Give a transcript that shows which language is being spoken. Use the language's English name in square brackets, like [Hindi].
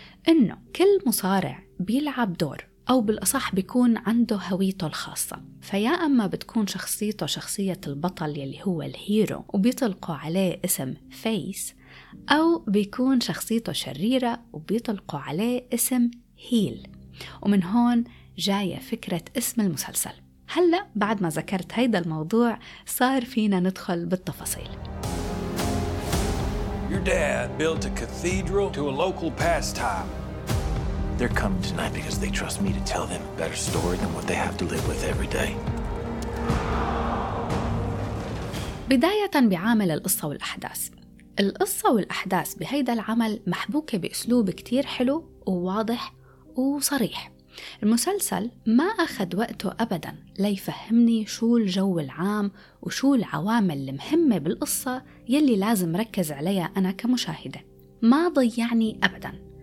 [Arabic] إنه كل مصارع بيلعب دور، أو بالأصح بيكون عنده هويته الخاصة، فيا أما بتكون شخصيته شخصية البطل يلي هو الهيرو وبيطلقوا عليه اسم فيس، أو بيكون شخصيته شريرة وبيطلقوا عليه اسم هيل، ومن هون جاية فكرة اسم المسلسل. هلأ بعد ما ذكرت هيدا الموضوع صار فينا ندخل بالتفاصيل. [English] Your dad built a cathedral to a local pastime. They're coming tonight because they trust me to tell them a better story than what they have to live with every day. [Arabic] بداية بعامل القصة والأحداث. القصة والأحداث بهيدا العمل محبوكة بأسلوب كتير حلو وواضح وصريح. المسلسل ما أخذ وقته أبداً ليفهمني شو الجو العام وشو العوامل المهمة بالقصة يلي لازم ركز عليها أنا كمشاهدة، ما ضيعني أبداً،